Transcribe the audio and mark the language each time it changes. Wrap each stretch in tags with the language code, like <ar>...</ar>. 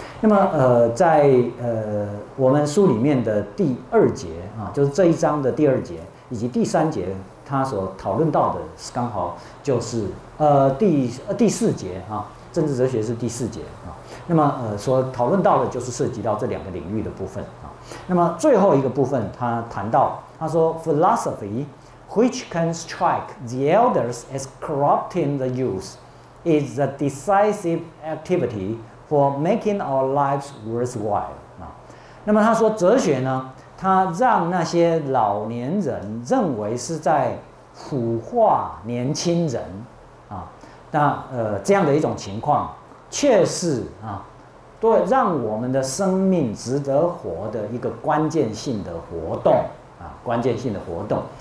<zh>那么在我们书里面的第二节啊，就是这一章的第二节以及第三节，他所讨论到的刚好就是第四节啊，政治哲学是第四节啊。那么所讨论到的就是涉及到这两个领域的部分啊。那么最后一个部分，他谈到他说</zh> <en>philosophy which can strike the elders as corrupting the youth is the decisive activity for making our lives worthwhile 啊。</en> <zh>那么他说哲学呢，他让那些老年人认为是在腐化年轻人啊，那这样的一种情况确实啊，对让我们的生命值得活的一个关键性的活动啊，关键性的活动。</zh>